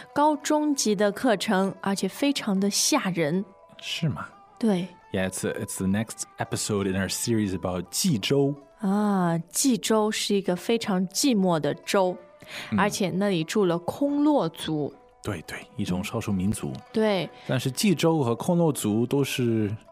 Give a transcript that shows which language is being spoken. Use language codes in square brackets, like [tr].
[zh] 高中级的课程,而且非常的吓人。是吗? 对。 [en] Yeah, it's the next episode in our series about 济州. [zh] 济州是一个非常寂寞的州,而且那里住了空落族。对,一种少数民族。对。但是济州和空落族都是...